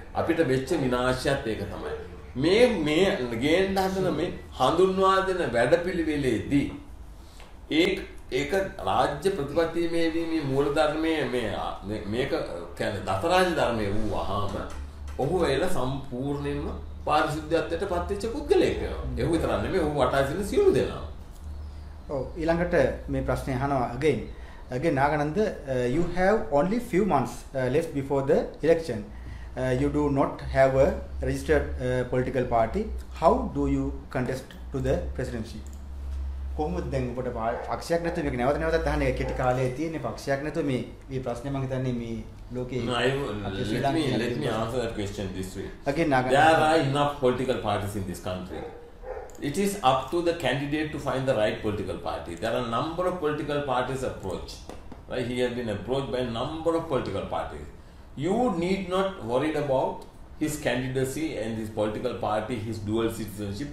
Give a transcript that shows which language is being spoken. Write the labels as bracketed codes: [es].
[si] අපිට වෙච්ච විනාශයත් ඒක තමයි. මේ මේ ගේන්න හදන මේ හඳුන්වා දෙන වැඩපිළිවෙලේදී ඒක ඒක රාජ්‍ය ප්‍රතිපත්තියේදී මේ මූල ධර්මයේ මේක කියන්නේ දතරාජ ධර්මයේ වූවහම ඔහු එළ සම්පූර්ණයෙන්ම පාරිශුද්ධත්වයට පත් වෙච්ච පුද්ගලයෙක් වෙනවා. ඒ වගේ තරම් නෙමෙයි ඔහු වටා සිටින සියලු දෙනා. ඔව් ඊළඟට මේ ප්‍රශ්නය අහනවා again. [en] Again Nagananda you have only few months left before the election. You do not have a registered political party. How do you contest to the presidency? [si] කොහොමද දැන් ඔබට පක්ෂයක් නැතුව මේක නැවත නැවතත් අහන්න එක කෙටි කාලයේ තියෙන පක්ෂයක් නැතුව මේ මේ ප්‍රශ්නේ මම හිතන්නේ මේ ලෝකේ [en] let me answer that question this way. Again Naga, there are enough political parties in this country. It is up to the candidate to find the right political party. There are number of political parties approach. Right, he has been approached by number of political parties. You need not worried about his candidacy and his political party, his dual citizenship.